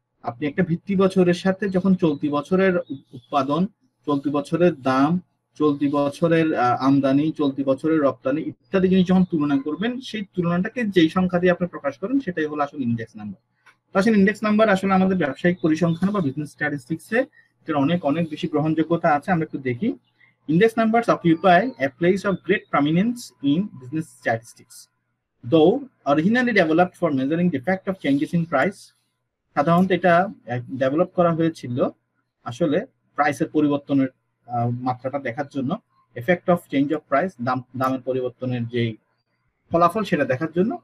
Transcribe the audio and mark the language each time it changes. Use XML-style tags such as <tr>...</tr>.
<bn>আপনি একটা ভিত্তি বছরের সাথে যখন চলতি বছরের উৎপাদন, চলতি বছরের দাম, চলতি বছরের আমদানি, চলতি বছরের রপ্তানি ইত্যাদি জিনিস যখন তুলনা করবেন, সেই তুলনাটাকে যেই সংখ্যা দিয়ে আপনি প্রকাশ করেন সেটাই হলো আসলে ইন্ডেক্স নাম্বার। তো আসলে ইন্ডেক্স নাম্বার আসলে আমাদের ব্যবসায়িক পরিসংখ্যান বা বিজনেস স্ট্যাটিস্টিক্সে এর অনেক অনেক বেশি গ্রহণযোগ্যতা আছে। আমরা একটু দেখি।</bn> <en>Index numbers occupy a place of great prominence in business statistics. Though originally developed for measuring the effect of changes in price,</en> <bn>সাধারণত এটা ডেভেলপ করা হয়েছিল আসলে প্রাইসের পরিবর্তনের মাত্রাটা দেখার জন্য,</bn> <en>effect of change of price,</en> <bn>দামের পরিবর্তনের যে ফলাফল সেটা দেখার জন্য।</bn>